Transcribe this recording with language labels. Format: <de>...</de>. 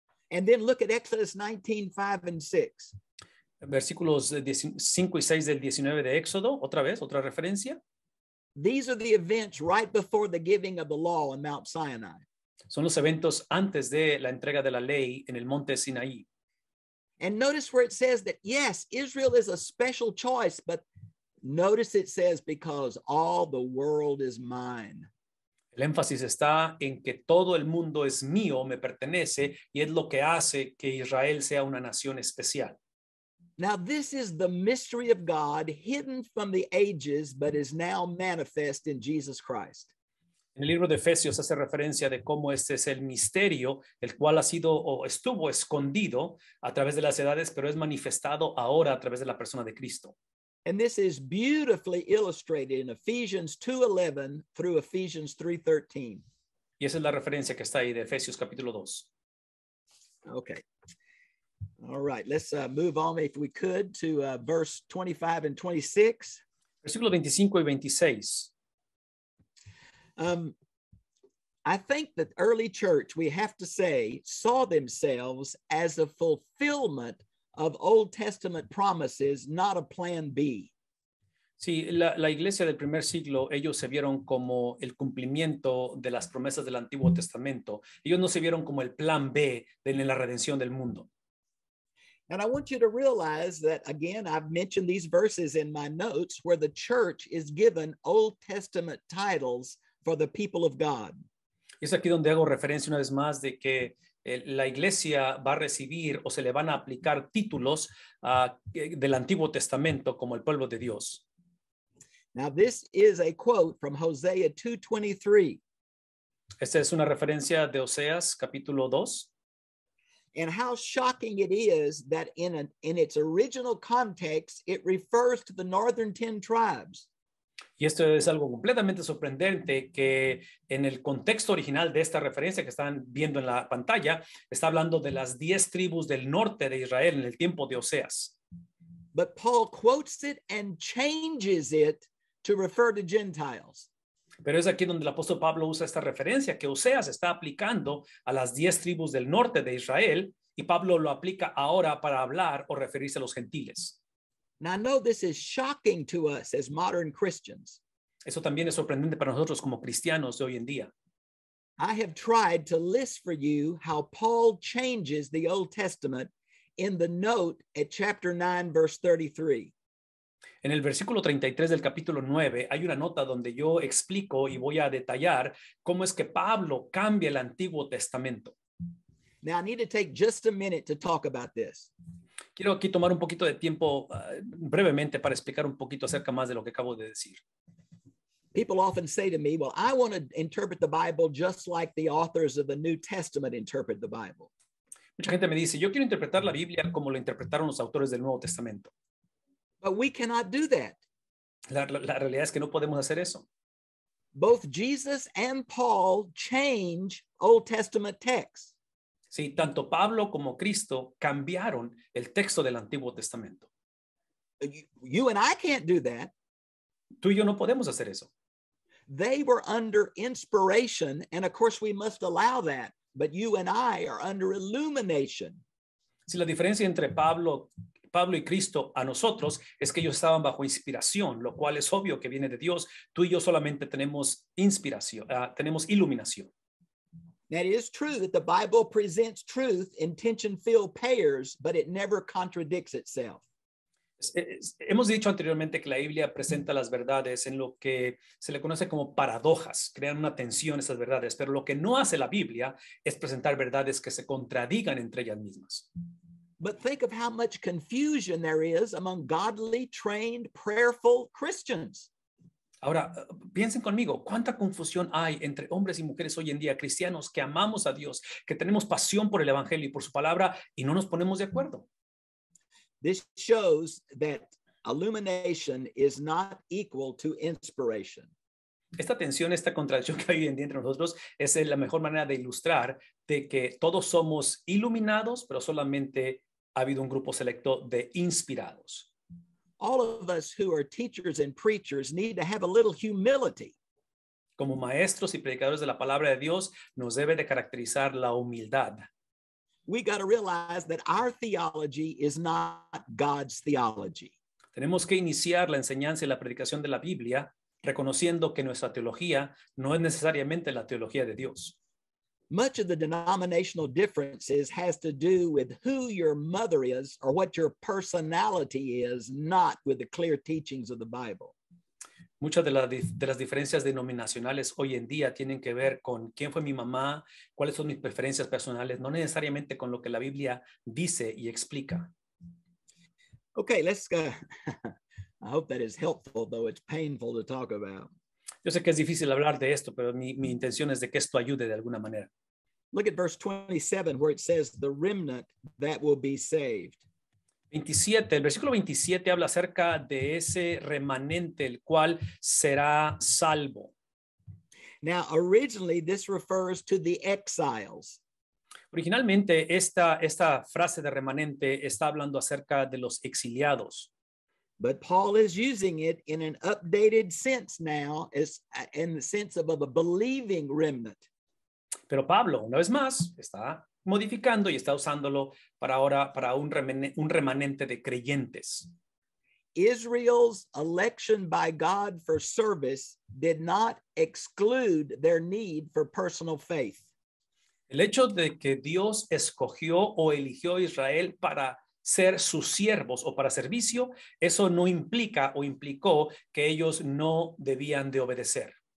<en>And then look at Exodus 19:5-6.</en> <es>Versículos 5 y 6 del 19 de Éxodo, otra vez, otra referencia.</es> <en>These are the events right before the giving of the law on Mount Sinai.</en> <es>Son los eventos antes de la entrega de la ley en el monte Sinaí.</es> <en>And notice where it says that, yes, Israel is a special choice, but notice it says, because all the world is mine.</en> <es>El énfasis está en que todo el mundo es mío, me pertenece, y es lo que hace que Israel sea una nación especial.</es> <en>Now this is the mystery of God hidden from the ages, but is now manifest in Jesus Christ.</en> <es>En el libro de Efesios hace referencia de cómo este es el misterio, el cual ha sido o estuvo escondido a través de las edades, pero es manifestado ahora a través de la persona de Cristo.</es> <en>And this is beautifully illustrated in Ephesians 2:11 through Ephesians 3:13.</en> <es>Y esa es la referencia que está ahí de Efesios capítulo 2.</es> <en>Okay. All right, let's move on if we could to verse 25 and 26.</en> <es>Versículo 25 y 26.</es> <en>I think that early church, we have to say, saw themselves as a fulfillment of Old Testament promises, not a plan B.</en> <es>Sí, la iglesia del primer siglo, ellos se vieron como el cumplimiento de las promesas del Antiguo Testamento. Ellos no se vieron como el plan B en la redención del mundo.</es> <en>And I want you to realize that, again, I've mentioned these verses in my notes where the church is given Old Testament titles for the people of God.</en> <es>Es aquí donde hago referencia una vez más de que la iglesia va a recibir o se le van a aplicar títulos del Antiguo Testamento como el pueblo de Dios.</es> <en>Now this is a quote from Hosea 2:23.</en> <es>Esta es una referencia de Oseas capítulo 2.</es> <en>And how shocking it is that in its original context it refers to the northern 10 tribes.</en> <es>Y esto es algo completamente sorprendente que en el contexto original de esta referencia que están viendo en la pantalla, está hablando de las 10 tribus del norte de Israel en el tiempo de Oseas.</es> <en>But Paul quotes it and changes it to refer to Gentiles.</en> <es>Pero es aquí donde el apóstol Pablo usa esta referencia que Oseas está aplicando a las 10 tribus del norte de Israel y Pablo lo aplica ahora para hablar o referirse a los gentiles.</es> <en>Now I know this is shocking to us as modern Christians.</en> <es>Eso también es sorprendente para nosotros como cristianos de hoy en día.</es> <en>I have tried to list for you how Paul changes the Old Testament in the note at chapter 9, verse 33.</en> <es>En el versículo 33 del capítulo 9 hay una nota donde yo explico y voy a detallar cómo es que Pablo cambia el Antiguo Testamento.</es> <en>Now I need to take just a minute to talk about this.</en> <es>Quiero aquí tomar un poquito de tiempo brevemente para explicar un poquito acerca más de lo que acabo de decir.</es> <en>People often say to me, well, I want to interpret the Bible just like the authors of the New Testament interpret the Bible.</en> <es>Mucha gente me dice, yo quiero interpretar la Biblia como lo interpretaron los autores del Nuevo Testamento.</es> <en>But we cannot do that.</en> <es>La realidad es que no podemos hacer eso.</es> <en>Both Jesus and Paul change Old Testament texts.</en> <es>Sí, tanto Pablo como Cristo cambiaron el texto del Antiguo Testamento.</es> <en>You and I can't do that.</en> <es>Tú y yo no podemos hacer eso.</es> <en>They were under inspiration, and of course we must allow that, but you and I are under illumination.</en> <es>Sí, la diferencia entre Pablo y Cristo a nosotros es que ellos estaban bajo inspiración, lo cual es obvio que viene de Dios. Tú y yo solamente tenemos inspiración, tenemos iluminación.</es> <en>Now, it is true that the Bible presents truth in tension-filled pairs, but it never contradicts itself.</en> <es>Hemos dicho anteriormente que la Biblia presenta las verdades en lo que se le conoce como paradojas, crean una tensión esas verdades, pero lo que no hace la Biblia es presentar verdades que se contradigan entre ellas mismas.</es> <en>But think of how much confusion there is among godly, trained, prayerful Christians.</en> <es>Ahora, piensen conmigo, ¿cuánta confusión hay entre hombres y mujeres hoy en día, cristianos que amamos a Dios, que tenemos pasión por el Evangelio y por su palabra, y no nos ponemos de acuerdo?</es> <en>This shows that illumination is not equal to inspiration.</en> <es>Esta tensión, esta contradicción que hay hoy en día entre nosotros, es la mejor manera de ilustrar de que todos somos iluminados, pero solamente ha habido un grupo selecto de inspirados.</es> <en>All of us who are teachers and preachers need to have a little humility.</en> <es>Como maestros y predicadores de la palabra de Dios, nos debe de caracterizar la humildad.</es> <en>We got to realize that our theology is not God's theology.</en> <es>Tenemos que iniciar la enseñanza y la predicación de la Biblia reconociendo que nuestra teología no es necesariamente la teología de Dios.</es> <en>Much of the denominational differences has to do with who your mother is or what your personality is, not with the clear teachings of the Bible.</en> <es>Muchas de las diferencias denominacionales hoy en día tienen que ver con quién fue mi mamá, cuáles son mis preferencias personales, no necesariamente con lo que la Biblia dice y explica.</es> <en>Okay, let's go. I hope that is helpful, though it's painful to talk about.</en> <es>Yo sé que es difícil hablar de esto, pero mi intención es de que esto ayude de alguna manera.</es> <en>Look at verse 27, where it says, the remnant that will be saved.</en> <es>El versículo 27 habla acerca de ese remanente, el cual será salvo.</es> <en>Now, originally, this refers to the exiles.</en> <es>Originalmente, esta frase de remanente está hablando acerca de los exiliados.</es> <en>But Paul is using it in an updated sense now, as in the sense of a believing remnant.</en> <es>Pero Pablo, una vez más, está modificando y está usándolo para ahora para un remanente de creyentes.</es> <en>Israel's election by God for service did not exclude their need for personal faith.</en> <es>El hecho de que Dios escogió o eligió a Israel para ser sus siervos o para servicio, eso no implica o implicó que ellos no debían de obedecer.</es>